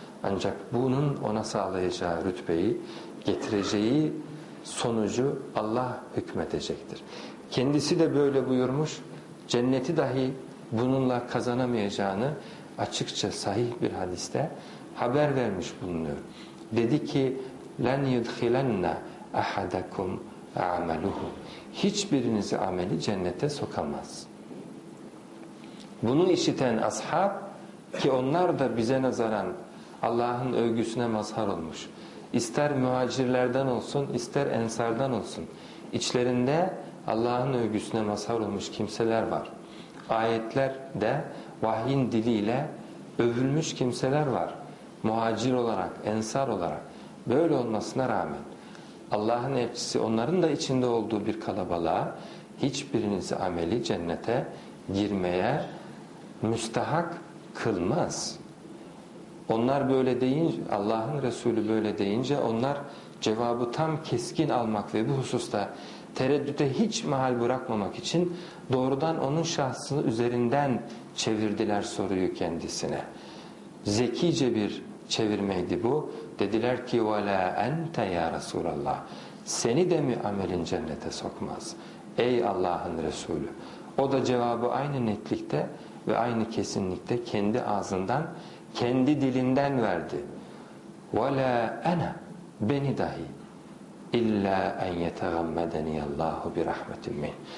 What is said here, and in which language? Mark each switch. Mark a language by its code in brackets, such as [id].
[tr] Ancak bunun ona sağlayacağı rütbeyi, getireceği sonucu Allah hükmedecektir. Kendisi de böyle buyurmuş, cenneti dahi bununla kazanamayacağını açıkça sahih bir hadiste haber vermiş bulunuyor. Dedi ki, [ar] لَنْ يُدْخِلَنَّ اَحَدَكُمْ اَعْمَلُهُ. [tr] Hiçbirinizi ameli cennete sokamaz. Bunu işiten ashab, ki onlar da bize nazaran Allah'ın övgüsüne mazhar olmuş, İster muhacirlerden olsun, ister ensardan olsun, İçlerinde Allah'ın övgüsüne mazhar olmuş kimseler var. Ayetler de vahyin diliyle övülmüş kimseler var. Muhacir olarak, ensar olarak, böyle olmasına rağmen Allah'ın elçisi onların da içinde olduğu bir kalabalığa hiçbirinizi ameli cennete girmeye müstahak kılmaz. Onlar böyle deyince, Allah'ın Resulü böyle deyince onlar cevabı tam keskin almak ve bu hususta tereddüte hiç mahal bırakmamak için doğrudan onun şahsını üzerinden çevirdiler soruyu kendisine. Zekice bir çevirmeydi bu. Dediler ki, [ar] وَلَا اَنْتَ يَا رَسُولَ اللّٰهِ. [tr] Seni de mi amelin cennete sokmaz ey Allah'ın Resulü? O da cevabı aynı netlikte ve aynı kesinlikte kendi ağzından, kendi dilinden verdi. [ar] وَلَا اَنَا. [tr] Beni dahi. [ar] اِلَّا اَنْ يَتَغَمَّدَنِيَ اللّٰهُ بِرَحْمَةٍ مِنْ.